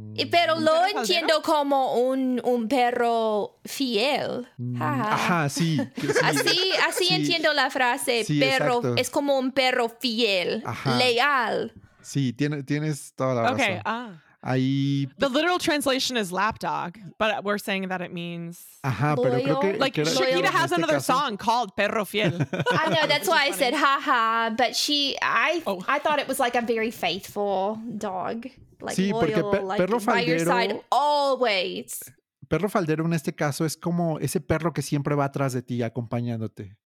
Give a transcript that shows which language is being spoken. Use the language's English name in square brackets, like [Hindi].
[Spanish] Pero lo entiendo como un perro fiel. Ajá, sí. Así entiendo la frase. Sí, perro, exacto. Es como un perro fiel, leal. Sí, tienes toda la razón. [English] Okay, [Spanish] Ahí... [English] The literal translation is lapdog, but we're saying that it means... [Spanish] Ajá, pero creo que... [English] Like, Shakira has another song called Perro Fiel. I know, that's why I said haha, but I thought it was like a very faithful dog. Like, [Spanish] sí, [English] loyal, [Spanish] porque perro [English] like, [Spanish] faldero, [English] by your side always. [Spanish] Perro faldero en este caso es como ese perro que siempre va atrás de ti acompañándote.